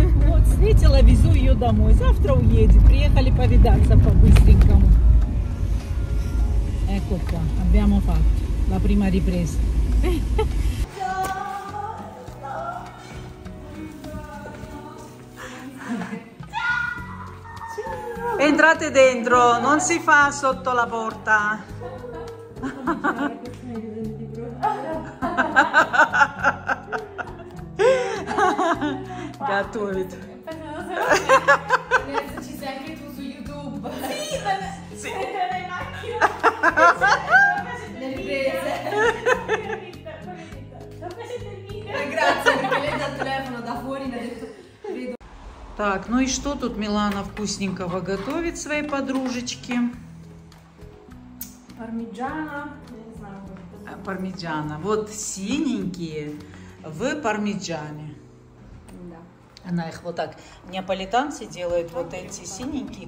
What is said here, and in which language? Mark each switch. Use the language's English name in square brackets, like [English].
[Russian] Вот, встретила, везу ее домой. Завтра уедет. Приехали повидаться по-быстренькому. [Italian] Ecco qua. Abbiamo fatto la prima ripresa. Entrate dentro, non si fa sotto la porta. [Russian] Готовит. [Italian] Ci sei anche tu su YouTube. Sì, le riprese. Grazie, perché lei dal telefono da fuori mi ha detto. [Russian] Так, ну и что тут Милана вкусненького готовит своей подружечке? Пармиджана, я не знаю. Пармиджана, вот синенькие в пармиджане. Да. Она их вот так, неаполитанцы делают вот эти синенькие.